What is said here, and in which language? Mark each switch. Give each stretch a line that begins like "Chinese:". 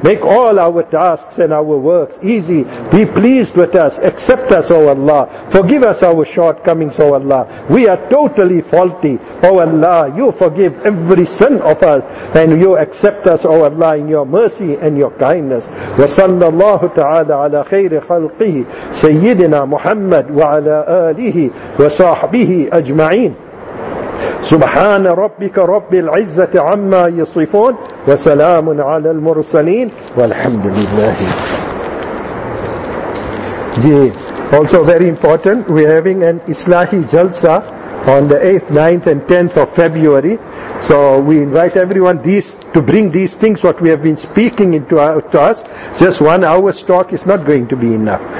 English: Make all our tasks and our works easy. Be pleased with us. Accept us, O Allah. Forgive us our shortcomings, O Allah. We are totally faulty. O Allah, you forgive every sin of us, and you accept us, O Allah, in your mercy and your kindness.
Arabic: Wa sallallahu ta'ala ala خير خلقه سيدنا محمد وعلى آله وصحبه أجمعين سبحان ربك رب العزة عما يصفون وسلام على المرسلين والحمد لله.
English: Also very important, we are having an Islahi Jalsa on the 8th, 9th and 10th of February. So we invite everyone these to bring these things what we have been speaking into to us. Just 1 hour's talk is not going to be enough.